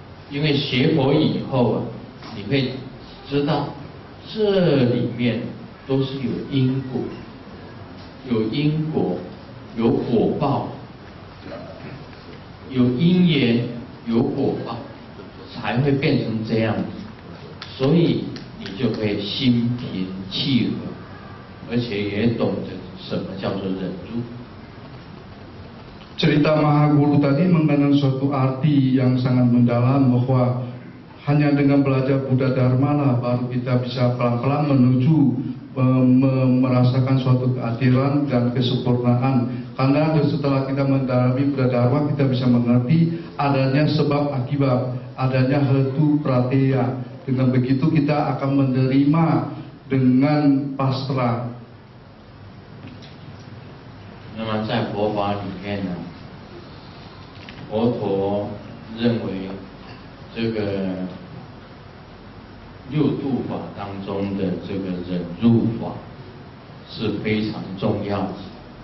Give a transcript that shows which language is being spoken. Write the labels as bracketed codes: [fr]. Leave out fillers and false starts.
[zh] 因为学佛以后啊，你会知道这里面都是有因果，有因果，有果报，有因缘，有果报，才会变成这样子。所以你就可以心平气和，而且也懂得什么叫做忍住。 [id] Cerita Mahaguru tadi mengandung suatu arti yang sangat mendalam, bahwa hanya dengan belajar Buddha Dharma lah baru kita bisa pelan-pelan menuju merasakan suatu keadilan dan kesempurnaan. Karena setelah kita mendalami Buddha Dharma, kita bisa mengerti adanya sebab akibat, adanya hetu pratyaya. Dengan begitu kita akan menerima dengan pasrah. [zh] 那么在佛法里面呢，佛陀认为这个六度法当中的这个忍辱法是非常重要的。